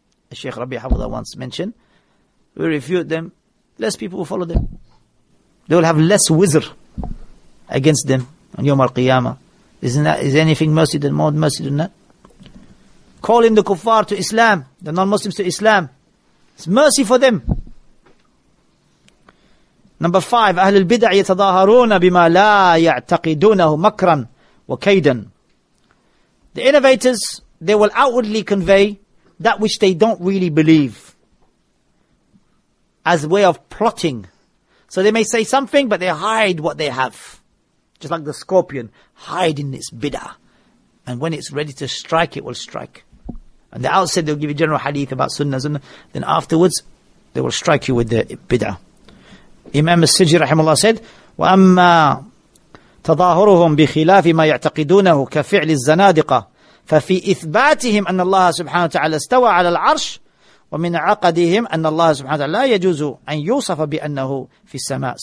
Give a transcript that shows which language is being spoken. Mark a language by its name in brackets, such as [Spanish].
[English] As Shaykh Rabbi Hafidah once mentioned, we refute them, less people will follow them. They will have less wizr against them on Yawm Al-Qiyamah. Is anything mercy than more mercy than that? Calling the kuffar to Islam, the non-Muslims to Islam, it's mercy for them. Number 5, [Arabic] أهل البدع يتظاهرون بما لا يعتقدونه مكرا وكيدا. [English] The innovators, they will outwardly convey that which they don't really believe as a way of plotting. So they may say something, but they hide what they have. Just like the scorpion hiding its bidah. And when it's ready to strike, it will strike. And the outset, they'll give you general hadith about sunnah. Then afterwards, they will strike you with the bid'ah. Imam al-Sijri, rahimahullah, said, [Arabic] وَأَمَّا تَظَاهُرُهُمْ بِخِلَافِ مَا يَعْتَقِدُونَهُ كَفِعْلِ الزَّنَادِقَةِ فَفِي إِثْبَاتِهِمْ أَنَّ اللَّهَ سُبْحَانَهُ وَتَعَالَى اسْتَوَى عَلَى الْعَرْشِ وَمِنْ عَقَدِهِمْ أَنَّ اللَّهَ سُبْحَانَهُ وَتَعَالَى لَا يَجُوزُ أَنْ يُوصَفَ بِأَنَّهُ فِي السَّمَاءِ.